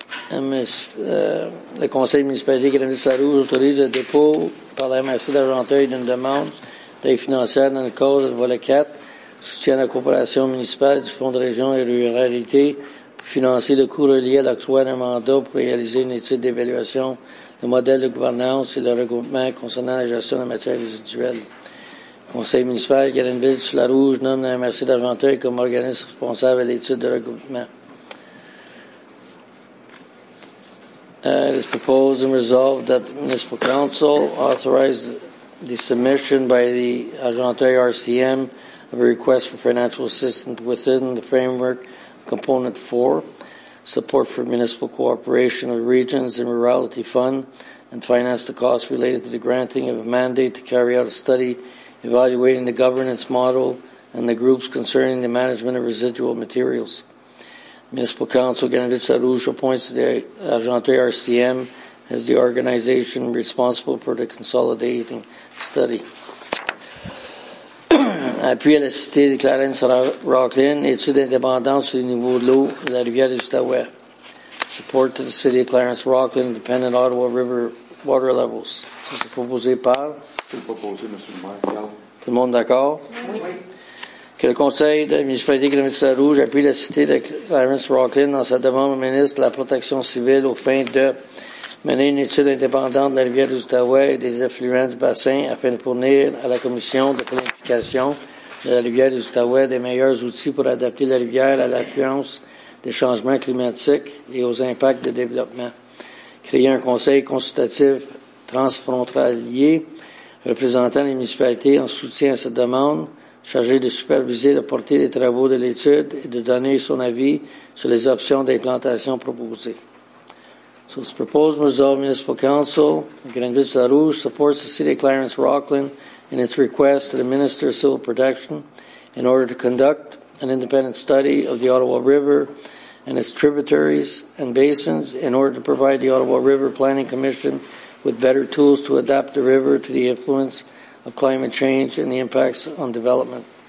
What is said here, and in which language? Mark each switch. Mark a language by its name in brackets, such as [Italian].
[French] Le conseil municipal de Grenville-Sarrouge autorise le dépôt par la MRC d'Argenteuil d'une demande d'aide financière dans le cadre du volet 4, soutien à la coopération municipale du Fonds de région et ruralité pour financer le coût relié à l'octroi d'un mandat pour réaliser une étude d'évaluation du modèle de gouvernance et le regroupement concernant la gestion des matières résiduelles. Le conseil municipal de Grenville-Sarrouge nomme la MRC d'Argenteuil comme organisme responsable à l'étude de regroupement. [English] It is proposed and resolved that the Municipal Council authorize the submission by the Argenteuil RCM of a request for financial assistance within the framework Component 4, support for municipal cooperation of regions and rurality fund, and finance the costs related to the granting of a mandate to carry out a study evaluating the governance model and the groups concerning the management of residual materials. Municipal Council Genevieve Sarouche appoints the Agence RCM as the organization responsible for the consolidating study. [French] Appui à la cité de Clarence Rocklin, étude indépendante sur le niveau de l'eau de la rivière de Stawet. [English] Support to the city of Clarence Rocklin, independent Ottawa River water levels. [French] Ça, c'est proposé par? C'est proposé, M. le maire. Tout le monde d'accord? Oui. Que le conseil de la municipalité de Clarence-la-Rouge appuie la cité de Clarence Rocklin dans sa demande au ministre de la Protection civile au fin de mener une étude indépendante de la rivière d'Outaouais et des effluents du bassin afin de fournir à la commission de planification de la rivière d'Outaouais des meilleurs outils pour adapter la rivière à l'influence des changements climatiques et aux impacts de développement. Créer un conseil consultatif transfrontalier représentant les municipalités en soutien à cette demande, chargé de superviser la portée des travaux de l'étude et de donner son avis sur les options d'implantation proposées. [English] So this proposed resolve, Municipal Council, Grenville-Sarouge, supports the City of Clarence Rocklin in its request to the Minister of Civil Protection in order to conduct an independent study of the Ottawa River and its tributaries and basins in order to provide the Ottawa River Planning Commission with better tools to adapt the river to the influence of climate change and the impacts on development.